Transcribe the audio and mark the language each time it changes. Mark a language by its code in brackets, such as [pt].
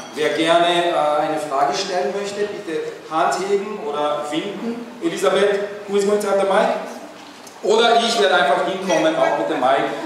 [de] Wer gerne eine Frage stellen möchte, bitte Hand heben oder winken. [en] Elisabeth, who is going to have the mic? [de] Oder ich werde einfach hinkommen, auch mit dem Mic.